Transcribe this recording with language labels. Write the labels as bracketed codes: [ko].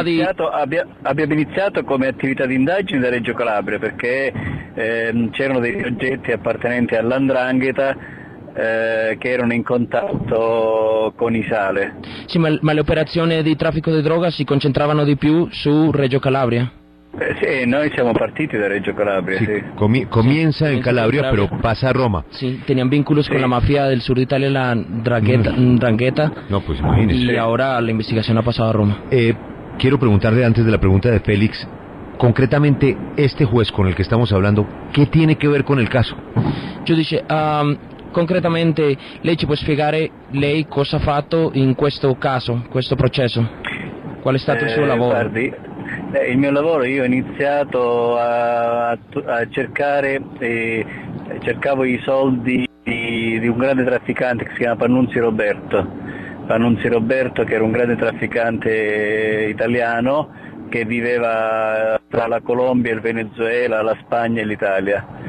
[it] abbiamo iniziato come attività di indagine da Reggio Calabria perché c'erano dei soggetti appartenenti all'Andrangheta che erano in contatto con i Sale. Sì, ma le operazioni di traffico di droga si concentravano di più su Reggio Calabria? Sì, noi siamo partiti da Reggio Calabria, sì. [es] Comienza in Calabria, però passa a Roma. Sì, tenían vínculos con la mafia del sur de Italia, la Ndrangheta. No, pues imagínese. Y ahora la investigación ha pasado a Roma. Quiero preguntarle antes de la pregunta de Félix, concretamente este juez con el que estamos hablando, ¿qué tiene que ver con el caso? Yo dije, concretamente, [it] ¿lei ci può spiegare lei cosa ha fatto in questo caso, questo processo? ¿Cuál è stato il suo lavoro? Guardi, il mio lavoro, io ho iniziato a cercare, cercavo i soldi di un grande trafficante che si chiama Pannunzi Roberto, che era un grande trafficante italiano che viveva tra la Colombia, il Venezuela, la Spagna e l'Italia.